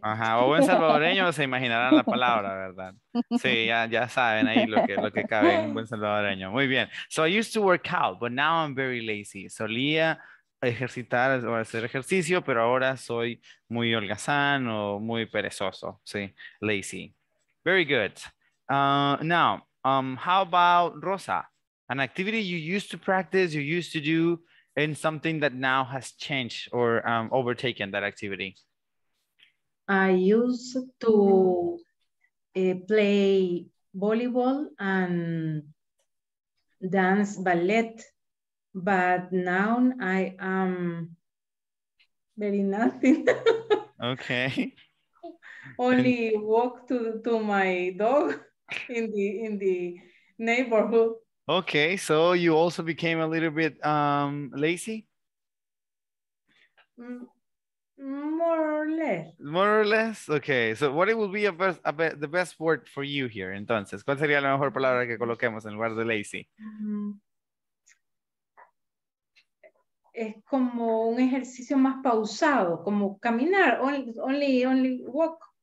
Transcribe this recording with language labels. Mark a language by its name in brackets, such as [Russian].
[Spanish] Ajá, o buen salvadoreño se imaginarán la palabra, ¿verdad? Sí, ya, ya saben ahí lo que cabe en un buen salvadoreño. Muy bien. [English] So I used to work out, but now I'm very lazy. [Spanish] Solía ejercitar o hacer ejercicio, pero ahora soy muy holgazán o muy perezoso. [English] Sí, lazy. Very good. Now, how about Rosa? An activity you used to practice, you used to do, and something that now has changed or overtaken that activity. I used to play volleyball and dance ballet, but now I am very nothing. Okay. Only walk to my dog in the neighborhood. Okay, so you also became a little bit lazy? More or less. More or less? Okay, so what it would be the best word for you here, entonces? [Spanish] ¿Cuál sería la mejor palabra que coloquemos en lugar de lazy? Es como un ejercicio más pausado, como caminar, [English] only walk.